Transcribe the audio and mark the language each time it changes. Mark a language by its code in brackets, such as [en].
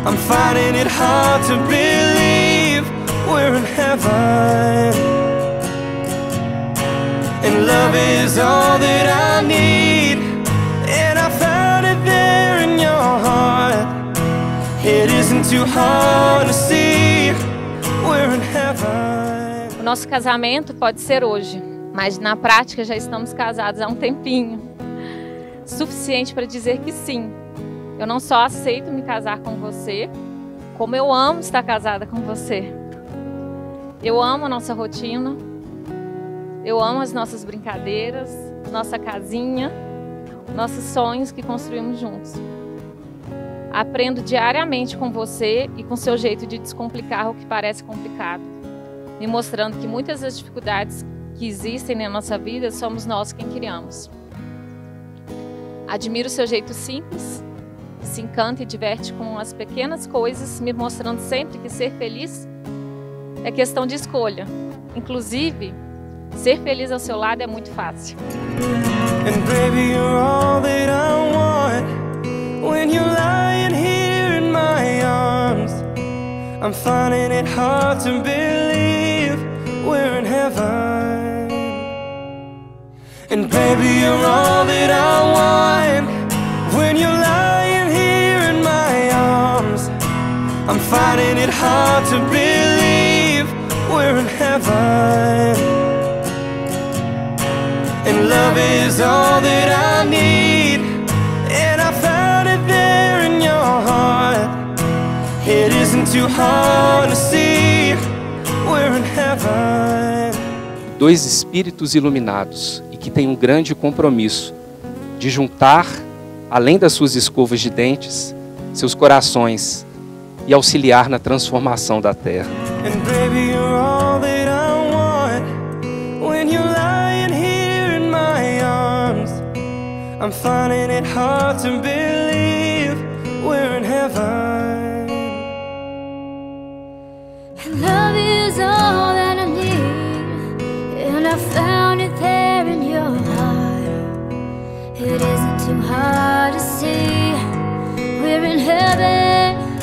[en] finding it hard to believe we're in heaven. And love is all that I need, and I found it there in your heart. It isn't too hard to see we're in heaven. [pt] O nosso casamento pode ser hoje, mas na prática já estamos casados há um tempinho. Suficiente para dizer que sim. Eu não só aceito me casar com você, como eu amo estar casada com você. Eu amo a nossa rotina. Eu amo as nossas brincadeiras, nossa casinha, nossos sonhos que construímos juntos. Aprendo diariamente com você e com seu jeito de descomplicar o que parece complicado, me mostrando que muitas das dificuldades que existem na nossa vida somos nós quem criamos. Admiro seu jeito simples, se encanta e diverte com as pequenas coisas, me mostrando sempre que ser feliz é questão de escolha. Inclusive, ser feliz ao seu lado é muito fácil. [en] And baby, you're all that I want. When you're lying here in my arms, I'm finding it hard to believe we're in heaven. And baby, you're all that I want. When you're lying here in my arms, I'm finding it hard to believe we're in heaven. And love is all that I need, and I found it there in your heart. It isn't too hard to see we're in heaven. [pt] Dois espíritos iluminados e que têm um grande compromisso de juntar, além das suas escovas de dentes, seus corações e auxiliar na transformação da Terra. [en] And baby, you're all that I want. When you're lying here in my arms, I'm finding it hard to believe we're in heaven. And love is all that I need, and I found it there in your heart. It isn't too hard to see we're in heaven.